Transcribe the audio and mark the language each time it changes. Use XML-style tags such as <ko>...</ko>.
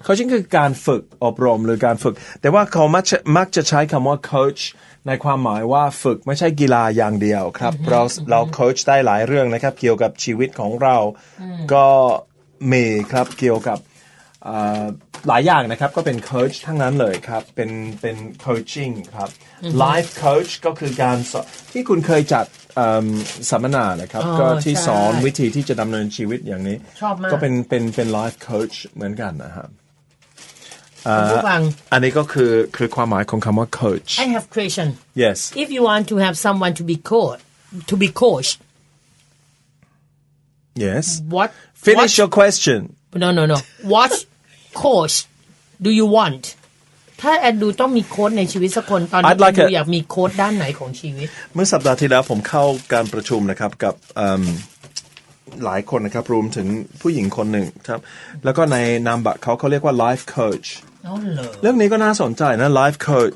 <th>Coaching คือการฝึกอบรมหรือการฝึกแต่ว่าเขามักจะใช้คำว่า coachในความหมายว่าฝึกไม่ใช่กีฬาอย่างเดียวครับ เราโค้ชได้หลายเรื่องนะครับเกี่ยวกับชีวิตของเรา ก็มีครับเกี่ยวกับหลายอย่างนะครับก็เป็นโค้ชทั้งนั้นเลยครับเป็นโคชชิ่งครับไลฟ์โค้ชก็คือการที่คุณเคยจัดสัมมนานะครับก็ที่สอนวิธีที่จะดำเนินชีวิตอย่างนี้ชอบมาก ก็เป็นไลฟ์โค้ชเหมือนกันนะครับ อัน นี้ก็คือความหมายของคำว่า coach</th> <en>I have question Yes If you want to have someone to be coached Yes What Finish your question No What coach do you want</en> <th>ถ้าแอนดูต้องมีโค้ชในชีวิตสักคนตอนนี้</th> <en>like</en> <th>ดูอยากมีโค้ชด้านไหนของชีวิต เมื่อสัปดาห์ที่แล้วผมเข้าการประชุมนะครับกับหลายคนนะครับรวมถึงผู้หญิงคนหนึ่งครับแล้วก็ในนามบัตรเขาเรียกว่า life coach เรื่องนี้ก็น่าสนใจนะ life coach</th>